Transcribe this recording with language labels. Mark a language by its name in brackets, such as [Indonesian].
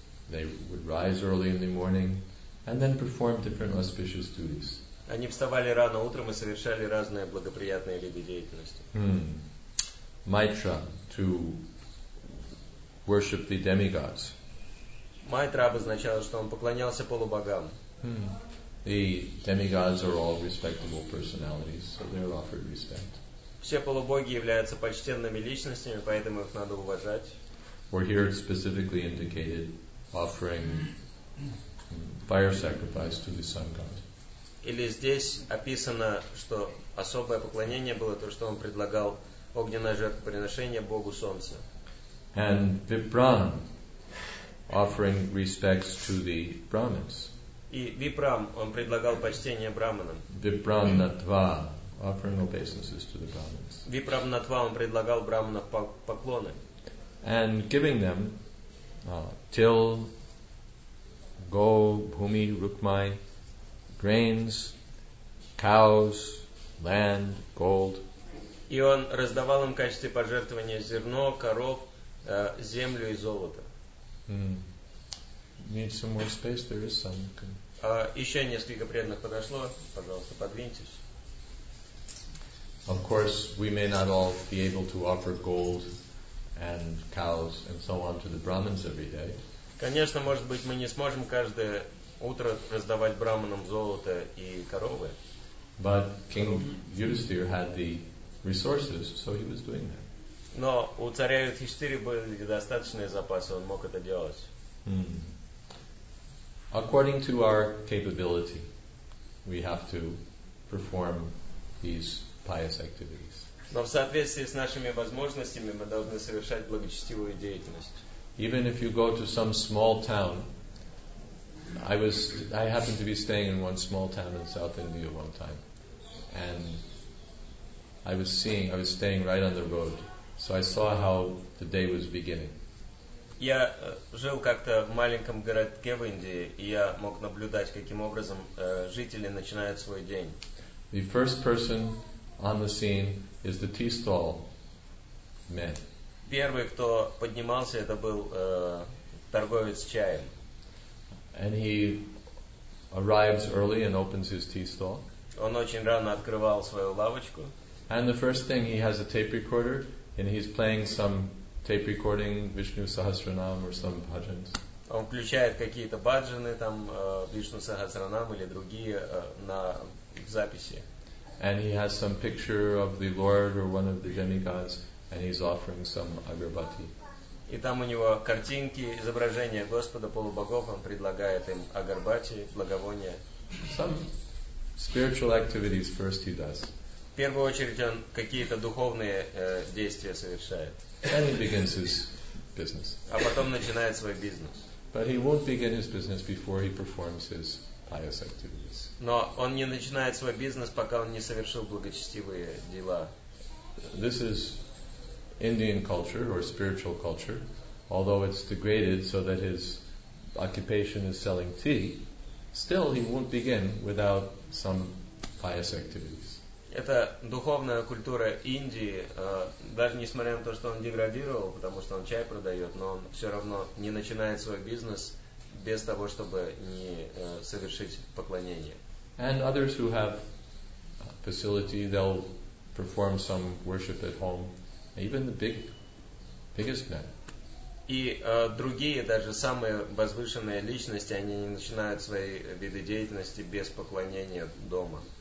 [English] They would rise early in the morning and then perform different auspicious duties. [Russian] Они вставали рано утром и совершали разные благоприятные виды деятельности. [English] Майтра, to worship the demigods. [Russian] Майтра обозначало, что он поклонялся полубогам. [English] The demigods are all respectable personalities, so they're offered respect. [Russian] Все полубоги являются почтенными личностями, поэтому их надо уважать. [English] We're here specifically indicated offering fire sacrifice to the sun god. [Russian] Или здесь описано, что особое поклонение было то, что он предлагал огненное жертвоприношение Богу Солнца. [English] And Vipran, offering respects to the Brahmins. [Russian] И Випрам, он предлагал почтение Брахманам. [English] Випрам натва, offering obeisances to the Brahmins. [Russian] Випрам натва, он предлагал Брахманам поклоны. [English] And giving them till gold, bhumi, rukmai, grains, cows, land, gold. [Russian] И он раздавал им в качестве пожертвования зерно, коров, землю и золото. [English] Need some more space? There is some. [Russian] Еще несколько преданных подошло. Пожалуйста, подвиньтесь. [English] Of course, we may not all be able to offer gold and cows and so on to the Brahmins every day. [Russian] Конечно, может быть, мы не сможем каждое утро раздавать браманам золото и коровы. [English] But King Yudhisthira had the resources, so he was doing that. [Russian] Но у царя Юдхиштхиры были достаточные запасы, он мог это делать. Mm. [English] According to our capability, we have to perform these pious activities. [Russian] Но в соответствии с нашими возможностями мы должны совершать благочестивую деятельность. [English] Even if you go to some small town, I happened to be staying in one small town in South India one time, and I was staying right on the road, so I saw how the day was beginning. [Russian] Я жил как-то в маленьком городке в Индии, и я мог наблюдать, каким образом жители начинают свой день. [English] The first person on the scene is the tea stall man. [Russian] Первый, кто поднимался, это был торговец чаем. [English] And he arrives early and opens his tea stall. [Russian] Он очень рано открывал свою лавочку. [English] And the first thing, he has a tape recorder and he's playing some tape recording Vishnu Sahasranam or some bhajans. [Russian] Он включает какие-то баджаны там Вишну Сахасранам или другие на записи. [English] And he has some picture of the Lord or one of the demigods, and he's offering some agarbati. [Russian] И там у него картинки, изображения Господа полубогов, он предлагает им агарбати, благовония. [English] Some spiritual activities first he does. [Russian] В первую очередь он какие-то духовные действия совершает. [English] And he begins his business. [Russian] А потом начинает свой бизнес. [English] But he won't begin his business before he performs his pious activities. [Russian] Но он не начинает свой бизнес, пока он не совершил благочестивые дела. [English] This is Indian culture or spiritual culture, although it's degraded so that his occupation is selling tea, still he won't begin without some pious activities. [Russian] Это духовная культура Индии, даже несмотря на то, что он деградировал, потому что он чай продает, но он все равно не начинает свой бизнес без того, чтобы не совершить поклонение. [English] And others who have facility, they'll perform some worship at home. Even the biggest men. [Russian] И другие, даже самые возвышенные личности, они не начинают свои виды деятельности без поклонения дома.